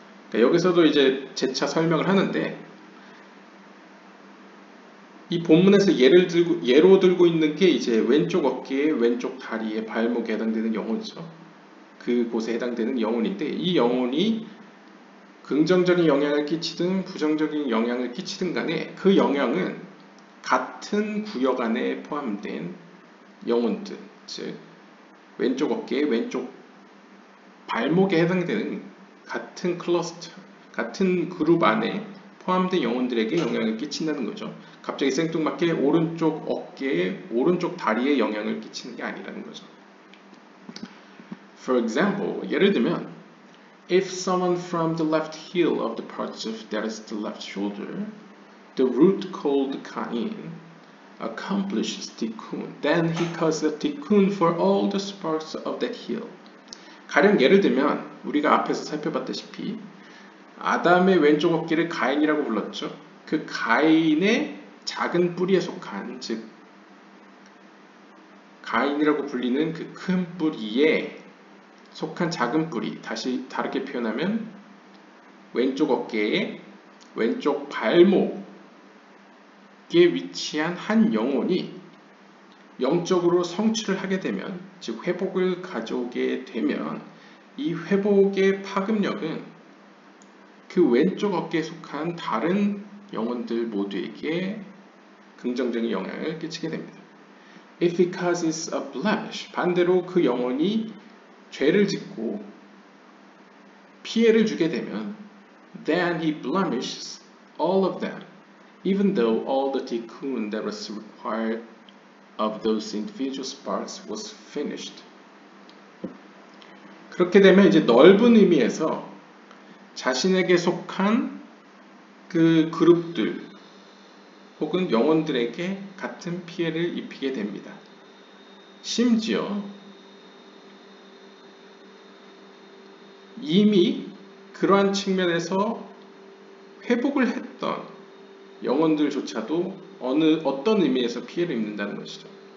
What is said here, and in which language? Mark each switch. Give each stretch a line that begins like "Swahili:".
Korean: 그러니까 여기서도 이제 재차 설명을 하는데 이 본문에서 예로 들고 있는 게 이제 왼쪽 어깨에, 왼쪽 다리에, 발목에 해당되는 영혼이죠. 그곳에 해당되는 영혼인데 이 영혼이 긍정적인 영향을 끼치든 부정적인 영향을 끼치든 간에 그 영향은 같은 구역 안에 포함된 영혼들, 즉 왼쪽 어깨에, 왼쪽 발목에 해당되는 같은 클러스터, 같은 그룹 안에 포함된 영혼들에게 영향을 끼친다는 거죠. 갑자기 생뚱맞게 오른쪽 어깨에, 오른쪽 다리에 영향을 끼치는 게 아니라는 거죠.
English: For example,
Korean: 예를 들면
English: If someone from the left heel of the parts of that is the left shoulder The root called Kain accomplishes tikkun. Then he causes tikkun for all the sparks of that heel.
Korean: 가령 예를 들면 우리가 앞에서 살펴봤다시피 아담의 왼쪽 어깨를 가인이라고 불렀죠. 그 가인의 작은 뿌리에 속한, 즉 가인이라고 불리는 그 큰 뿌리에 속한 작은 뿌리, 다시 다르게 표현하면 왼쪽 어깨의 왼쪽 발목 죽게 위치한 한 영혼이 영적으로 성취를 하게 되면, 즉 회복을 가져오게 되면 이 회복의 파급력은 그 왼쪽 어깨에 속한 다른 영혼들 모두에게 긍정적인 영향을 끼치게 됩니다.
English: If it causes a blemish,
Korean: 반대로 그 영혼이 죄를 짓고 피해를 주게 되면
English: then he blemishes all of them, even though all the tikkun that was required of those individual sparks was finished.
Korean: 그렇게 되면 이제 넓은 의미에서 자신에게 속한 그 그룹들 혹은 영혼들에게 같은 피해를 입히게 됩니다. 심지어 이미 그러한 측면에서 회복을 했던 영혼들조차도 어떤 의미에서 피해를 입는다는 것이죠.